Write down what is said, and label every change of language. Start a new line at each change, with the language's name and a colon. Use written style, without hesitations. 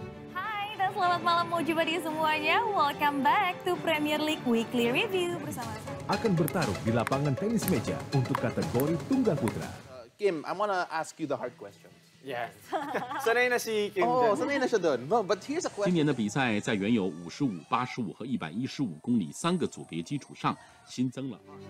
Indonesian: Hai dan selamat malam mau jumpa di semuanya.
English: Welcome back to Premier League Weekly Review bersama.
Indonesian: Akan bertarung di lapangan tenis meja untuk kategori tunggal putra.
English: Kim, I wanna ask you the hard question.
Filipino: Yes. Sanay na si Kim. Oh, sanay na siya doon.
English: Well, but here's a question.
Chinese: 今年的比赛在原有 55, 85 和 115 公里三个组别基础上新增了。